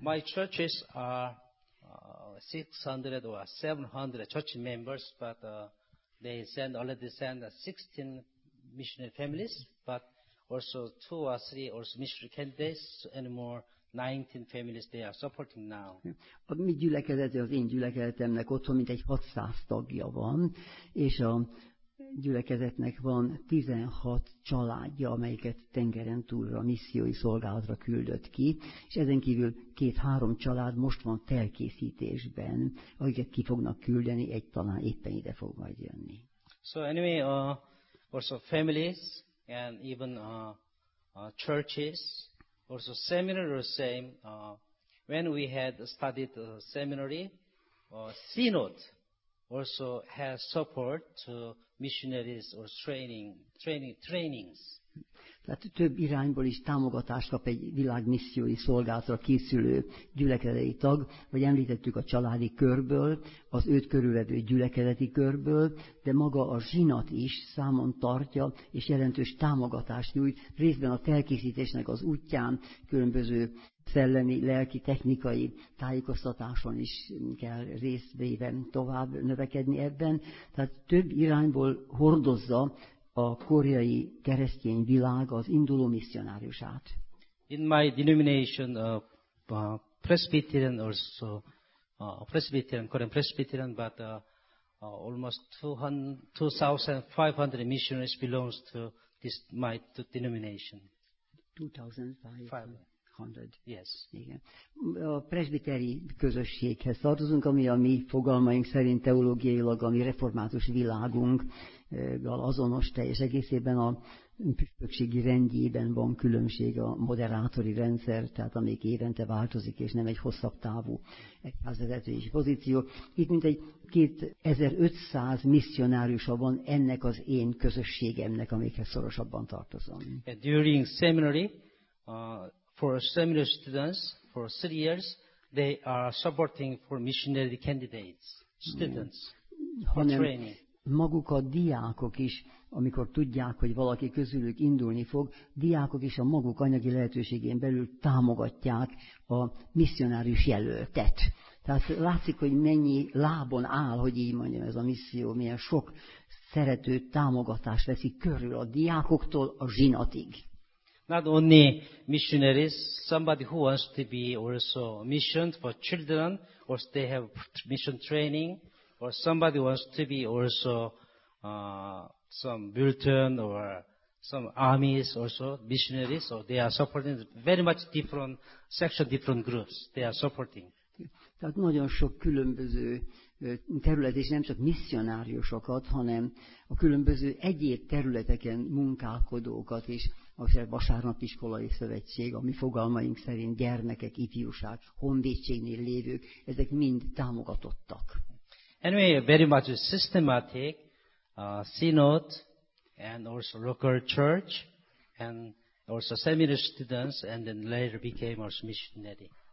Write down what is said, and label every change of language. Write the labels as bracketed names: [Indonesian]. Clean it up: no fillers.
[English] My churches are 600 or 700 church members, but they send already send 16 missionary families, but also two or three also missionary candidates and more 19 families they are supporting now. [Hungarian] A mi gyülekezete, az én gyülekezetemnek otthon mintegy 600 tagja van, és a gyülekezetnek van 16 családja, amelyiket tengeren túlra, missziói szolgálatra küldött ki, és ezen kívül 2-3 család most van felkészítésben, akiket ki fognak küldeni, egy talán éppen ide fog majd jönni. [English] So anyway, also families, and even churches, also seminary the same. When we had studied seminary, synod also has support to missionaries or trainings. [Hungarian] Tehát több irányból is támogatást kap egy világmissziói szolgálatra készülő gyülekezeti tag, vagy említettük a családi körből, az őt körülvevő gyülekezeti körből, de maga a zsinat is számon tartja, és jelentős támogatást nyújt, részben a telkészítésnek az útján, különböző szellemi, lelki, technikai tájékoztatáson is kell részt véve tovább növekedni ebben. Tehát több irányból hordozza a koreai keresztény világ az induló misszionáriusát. [English] In my denomination, Presbyterian also, Presbyterian, Korean Presbyterian, but almost 2,500 missionaries belongs to this my to denomination. 2,500. Yes. [Hungarian] Igen. A presbiteri közösséghez tartozunk, ami a mi fogalmaink szerint teológiailag a mi református világunk azonos teljes egészében, a püspökségi rendjében van különbség, a moderátori rendszer, tehát amik évente változik, és nem egy hosszabb távú egyházvezetői pozíció. Itt mintegy 2500 misszionáriusa van ennek az én közösségemnek, amikhez szorosabban tartozom. [English] During seminary, for seminary students, for 3 years, they are supporting for missionary candidates, students, for training. [Hungarian] Maguk a diákok is, amikor tudják, hogy valaki közülük indulni fog, diákok is a maguk anyagi lehetőségén belül támogatják a misszionárius jelöltet. Tehát látszik, hogy mennyi lábon áll, hogy így mondjam, ez a misszió, milyen sok szerető támogatás veszi körül a diákoktól a zsinatig. [English] Not only missionaries, somebody who wants to be also missioned for children, or they have mission training, or somebody wants to be also some bulletin or some armies also missionaries, so they are supporting very much different section, different groups they are supporting. [Hungarian] Tehát nagyon sok különböző terület, és nem csak misszionáriusokat, hanem a különböző egyéb területeken munkálkodókat is, akár vasárnapiskolai szövetség, ami fogalmaink szerint gyermekek, ifjúság, honvédségnél lévők, ezek mind támogatottak. [English] Anyway, very much systematic synod and also local church and also seminary students and then later became also missionary.